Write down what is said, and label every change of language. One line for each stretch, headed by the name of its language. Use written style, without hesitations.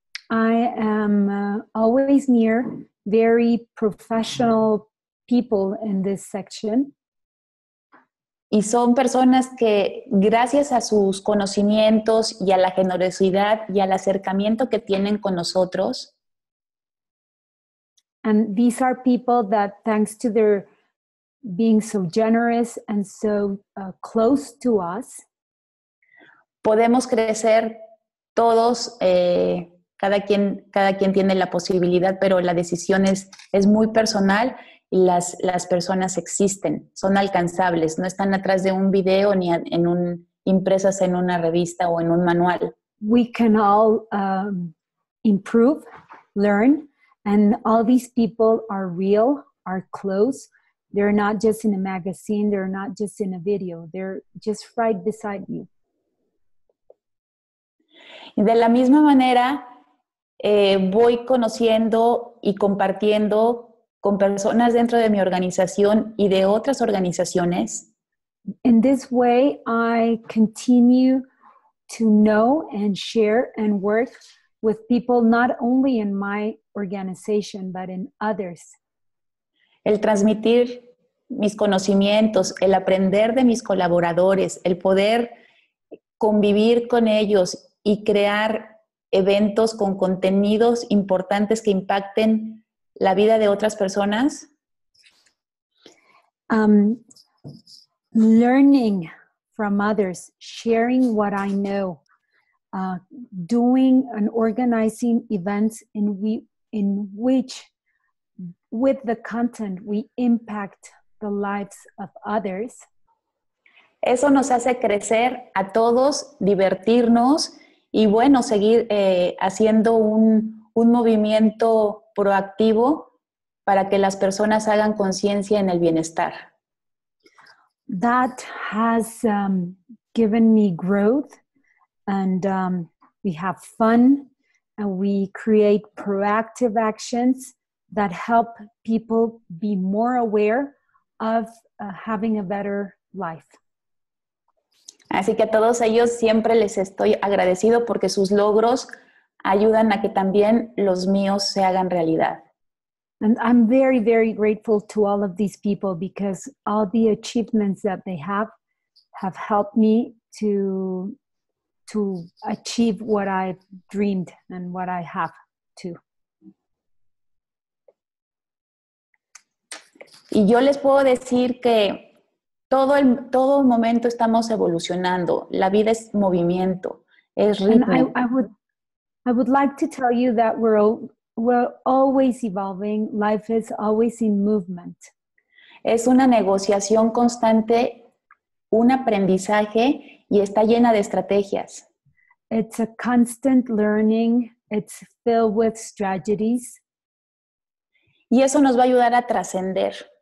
English: I am always near very professional people in this section.
Spanish: Y son personas que, gracias a sus conocimientos y a la generosidad y al acercamiento que tienen con nosotros.
English: And these are people that, thanks to their being so generous and so close to us,
Spanish: podemos crecer todos. Cada quien tiene la posibilidad, pero la decisión es muy personal. Las personas existen, son alcanzables, no están atrás de un video ni en un impresas en una revista o en un manual.
English: We can all improve, learn, and all these people are real, are close. They're not just in a magazine, they're not just in a video, they're just right beside you.
Spanish: Y de la misma manera, voy conociendo y compartiendo con personas dentro de mi organización y de otras organizaciones.
English: In this way, I continue to know and share and work with people not only in my organization, but in others.
Spanish: El transmitir mis conocimientos, el aprender de mis colaboradores, el poder convivir con ellos y crear eventos con contenidos importantes que impacten la vida de otras personas.
English: Learning from others, sharing what I know, doing and organizing events in which with the content we impact the lives of others.
Spanish: Eso nos hace crecer a todos, divertirnos y bueno, seguir haciendo un movimiento proactivo para que las personas hagan conciencia en el bienestar.
English: That has given me growth, and we have fun, and we create proactive actions that help people be more aware of having a better life.
Spanish: Así que a todos ellos siempre les estoy agradecido porque sus logros ayudan a que también los míos se hagan realidad.
English: And I'm very, very grateful to all of these people because all the achievements that they have helped me to achieve what I've dreamed and what I have too.
Spanish: Y yo les puedo decir que todo el momento estamos evolucionando. La vida es movimiento, es ritmo.
English: I would like to tell you that we're always evolving. Life is always in movement.
Spanish: Es una negociación constante, un aprendizaje y está llena de estrategias.
English: It's a constant learning. It's filled with strategies.
Spanish: Y eso nos va a ayudar a trascender.